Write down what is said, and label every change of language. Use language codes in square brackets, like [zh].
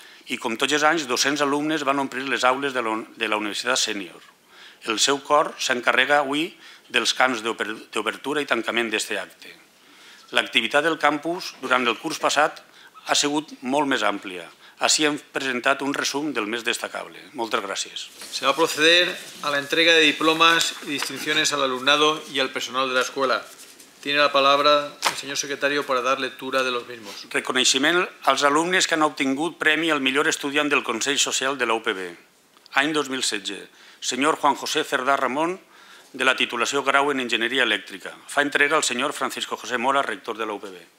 [ca] I com tots els anys, 200 alumnes van omplir les aules de la Universitat Sènior. El seu cor s'encarrega avui dels cants d'obertura i tancament d'aquest acte. L'activitat del campus durant el curs passat ha sigut molt més àmplia. Així hem presentat un resum del més destacable. Moltes gràcies. [es] Se va proceder a la entrega de diplomas y distinciones al alumnado y al personal de la escuela. Tiene la palabra el señor secretario para dar lectura de los mismos. [ca] Reconeixement als alumnes que han obtingut premi al millor estudiant del Consell Social de la UPB. Any 2016. Señor Juan José Cerdà Ramón, de la titulació grau en Enginyeria Elèctrica. Fa entrega al señor Francisco José Mora, rector de la UPB.